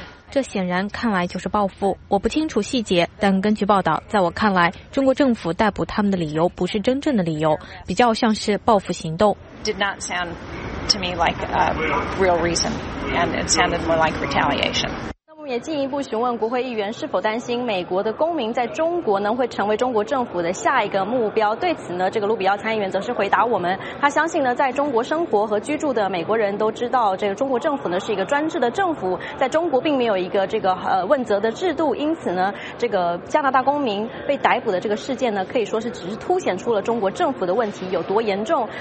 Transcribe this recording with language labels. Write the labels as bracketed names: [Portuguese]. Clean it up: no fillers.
[Chinese] 这显然看来就是报复，我不清楚细节，但根据报道，在我看来，中国政府逮捕他们的理由不是真正的理由，比较像是报复行动。 [English] Did not sound to me like a real reason, and it sounded more like retaliation. [Chinese] 也进一步询问国会议员是否担心美国的公民在中国呢会成为中国政府的下一个目标。对此呢，这个卢比奥参议员则是回答我们，他相信呢，在中国生活和居住的美国人都知道，这个中国政府呢是一个专制的政府，在中国并没有一个这个问责的制度，因此呢，这个加拿大公民被逮捕的这个事件呢，可以说是只是凸显出了中国政府的问题有多严重。